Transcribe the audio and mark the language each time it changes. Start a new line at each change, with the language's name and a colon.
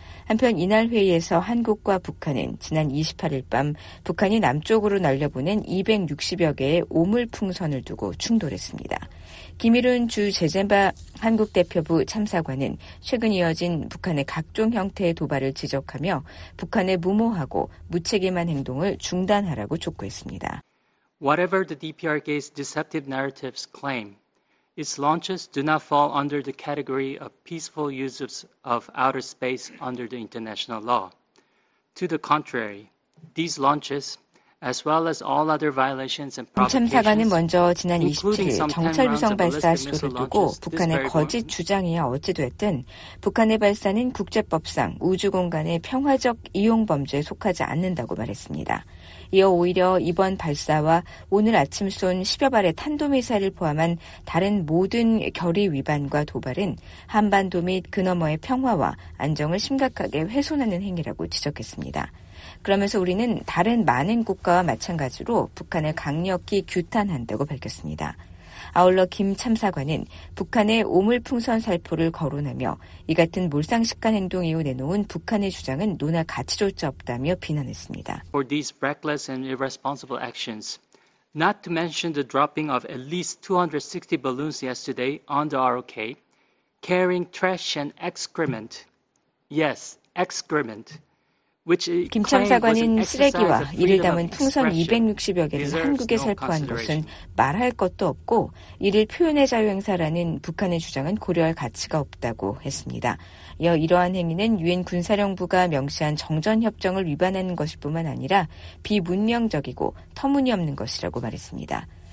Korean: 한편 이날 회의에서 한국과 북한은 지난 28일 밤 북한이 남쪽으로 날려보낸 260여 개의 오물풍선을 두고 충돌했습니다. 김일훈 주 제젠바 한국대표부 참사관은 최근 이어진 북한의 각종 형태의 도발을 지적하며 북한의 무모하고 무책임한 행동을 중단하라고 촉구했습니다.
English: Whatever the DPRK's deceptive narratives claim, its launches do not fall under the category of peaceful uses of outer space under the international law. To the contrary, these launches, as well as all other violations and provocations,
Korean: 참사관은 먼저 지난 27일 정찰 위성 발사 시도를 두고 북한의 거짓 주장이야 어찌됐든 북한의 발사는 국제법상 우주 공간의 평화적 이용 범죄에 속하지 않는다고 말했습니다. 이어 오히려 이번 발사와 오늘 아침 쏜 10여 발의 탄도미사일을 포함한 다른 모든 결의 위반과 도발은 한반도 및 그 너머의 평화와 안정을 심각하게 훼손하는 행위라고 지적했습니다. 그러면서 우리는 다른 많은 국가와 마찬가지로 북한을 강력히 규탄한다고 밝혔습니다. 아울러 김 참사관은 북한의 오물풍선 살포를 거론하며 이 같은 몰상식한 행동 이후 내놓은 북한의 주장은 논할 가치조차 없다며 비난했습니다.
English: For these reckless and irresponsible actions, not to mention the dropping of at least 260 balloons yesterday on the ROK, carrying trash and excrement. Yes, excrement.
Korean: 김 참사관은 쓰레기와 이를 담은 풍선 260여 개를 한국에 살포한 것은 말할 것도 없고 이를 표현의 자유 행사라는 북한의 주장은 고려할 가치가 없다고 했습니다. 이어 이러한 행위는 유엔 군사령부가 명시한 정전협정을 위반하는 것일 뿐만 아니라 비문명적이고 터무니없는 것이라고 말했습니다.